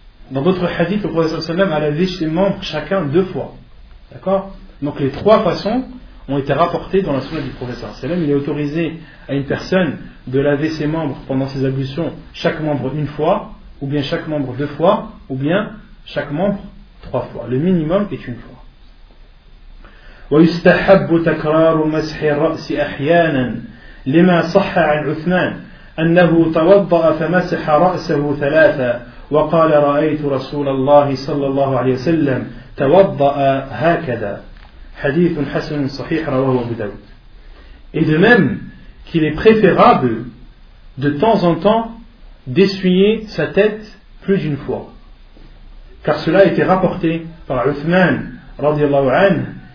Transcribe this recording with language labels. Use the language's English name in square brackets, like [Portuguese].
[French] Dans d'autres hadiths, le prophète sallallahu alayhi wa sallam a lavé ses membres chacun deux fois. D'accord ? Donc les trois façons ont été rapportées dans la sunna du prophète sallallahu alayhi wa sallam. Il est autorisé à une personne de laver ses membres pendant ses ablutions, chaque membre une fois, ou bien chaque membre deux fois, ou bien chaque membre trois fois. Le minimum est une fois. [Arabic] ويستحب تكرار مسح الرأس أحيانا لما صح عن عثمان أنه توضأ فمسح رأسه ثلاثة وقال رأيت رسول الله صلى الله عليه وسلم توضأ هكذا حديث حسن صحيح رواه أبو داود. [French] Et de même qu'il est préférable de temps en temps d'essuyer sa tête plus d'une fois. Car cela a été rapporté par Uthman radiallahu anhu.